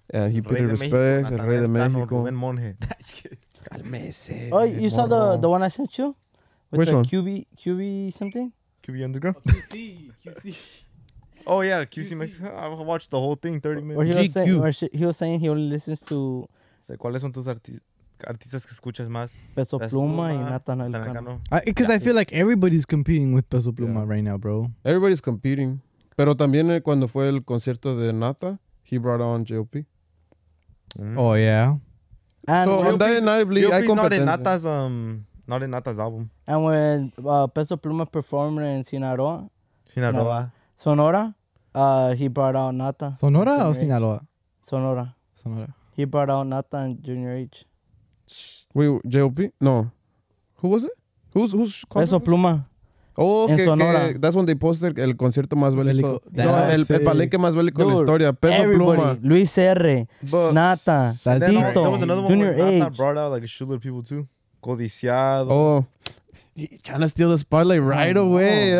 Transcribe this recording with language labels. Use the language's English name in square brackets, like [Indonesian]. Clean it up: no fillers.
[English] Yeah, he paid respects. El Rey de México. [Spanish] Calmese. [English] Oh, you saw the one I sent you? With which the one? QB something? QB Underground? Oh, QC. Oh, yeah, QC Mexico. I watched the whole thing, 30 minutes. He was saying he only listens to... [Spanish] ¿Cuáles son tus artistas que escuchas más? Peso Pluma y Nathan Elcano. [English] Because I feel like everybody's competing with Peso Pluma right now, bro. Everybody's competing. [Spanish] Pero también cuando fue el concierto de Nata... [English] He brought on JOP. Mm. Oh, yeah. And so, undeniably, I competence. JOP's not in Nata's album. And when Peso Pluma performed in Sinaloa. Sinaloa. Sonora. He brought out Nata. Sonora or Sinaloa? Sonora. Sonora. He brought out Nata and Junior H. Wait, JOP? No. Who was it? Who's Peso Pluma. Oh, okay, [Spanish] en Sonora. [English] Okay. That's when they posted [Spanish] el concierto más bélico. No, el palenque más bélico de la historia. [English] Peso Pluma. Luis R. But, Nata. Tito. Junior H. Nata brought out like a shitload of people too. Codiciado. Oh. Trying to steal the spotlight right away.